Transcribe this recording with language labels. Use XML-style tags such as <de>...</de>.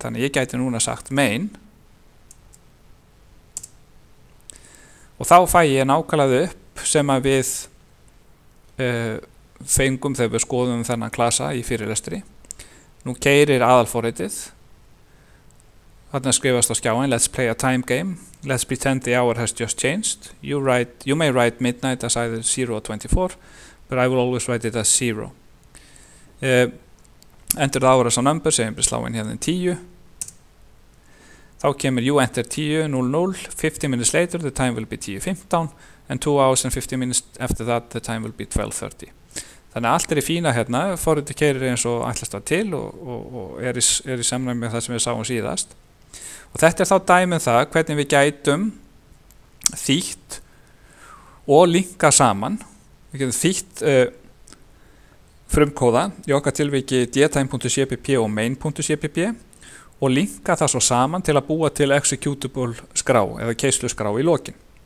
<is>Þannig ég gæti núna sagt main og þá fæ ég nákvæmlega upp sem að við fengum þegar við skoðum þennan klasa í fyrirlestri. Nú keirir aðalforritið. Þannig að skrifast á skjáin,</is> <en>let's play a time game, let's pretend the hour has just changed, you may write midnight as either 0 or 24, but I will always write it as 0. Enter the hour as a number,</en> <is>segjum við sláin hérna 10, þá kemur</is> <en>you enter 10:00, 50 minutes later the time will be 10:15, and 2 hours and 50 minutes after that the time will be 12:30.</en> <is>Þannig að allt er í fína hérna, forritið keirir eins og ætlast það til og er í samræmi með það sem við sáum síðast. Og þetta er þá dæmið það hvernig við gætum þýtt og linka saman. Við gætum þýtt frumkóða í okkar tilviki dtime.cpp og main.cpp og linka það svo saman til að búa til executable skrá eða keisluskrá í lokin.</is>